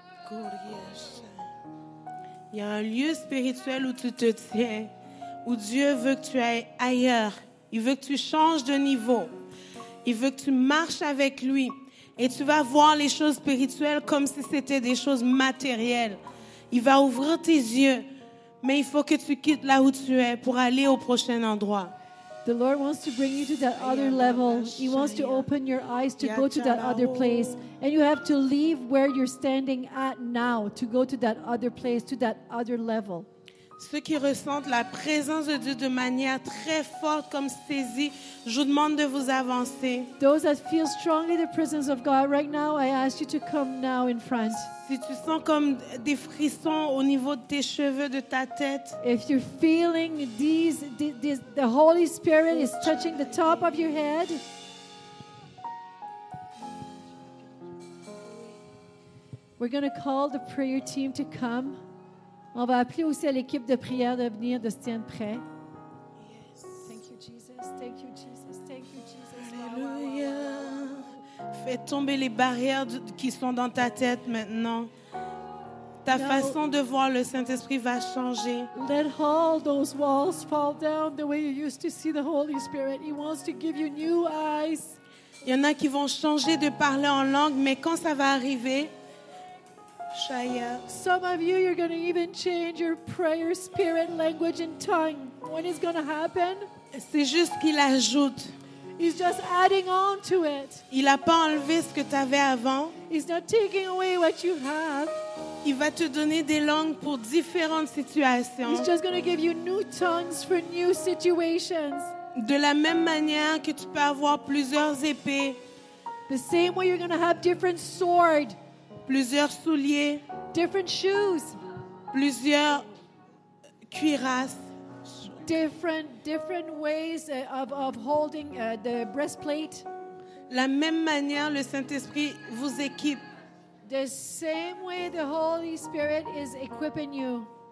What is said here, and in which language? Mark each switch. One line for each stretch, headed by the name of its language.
French: Il y a un lieu spirituel où tu te tiens, où Dieu veut que tu ailles ailleurs. Il veut que tu changes de niveau. Il veut que tu marches avec lui. Et tu vas voir les choses spirituelles comme si c'était des choses matérielles. Il va ouvrir tes yeux, mais il faut que tu quittes là où tu es pour aller au prochain endroit.
English: The Lord wants to bring you to that other level. He wants to open your eyes to go to that other place. And you have to leave where you're standing at now to go to that other place, to that other level.
French: Ceux qui ressentent la présence de Dieu de manière très forte comme saisie, je vous demande de vous avancer.
English: Those that feel strongly the presence of God right now, I ask you to come now in front.
French: Si tu sens comme des frissons au niveau de tes cheveux, de ta tête.
English: If you're feeling these, the Holy Spirit is touching the top of your head. We're going to call the prayer team to come.
French: On va appeler aussi à l'équipe de prière de venir, de se tenir prêt.
English: Yes. Thank you, Jesus. Thank you, Jesus. Thank you, Jesus.
French: Alléluia. Fais tomber les barrières qui sont dans ta tête maintenant. Ta façon de voir le Saint-Esprit va changer.
English: Let all those walls fall down the way you used to see the Holy Spirit. He wants to give you new eyes.
French: Il y en a qui vont changer de parler en langue, mais quand ça va arriver...
English: Some of you, you're going to even change your prayer, spirit, language, and tongue. When is going to happen?
French: C'est juste qu'il ajoute.
English: He's just adding on to it.
French: Il a pas enlevé ce que tu avais avant.
English: He's not taking away what you have.
French: Il va te donner des langues pour différentes situations.
English: He's just going to give you new tongues for new situations.
French: De la même manière que tu peux avoir plusieurs épées.
English: The same way you're going to have different swords.
French: Plusieurs souliers.
English: Different shoes.
French: Plusieurs cuirasses.
English: Different ways of holding the breastplate.
French: La même manière le Saint-Esprit vous équipe.
English: The same way the Holy Spirit is equipping you.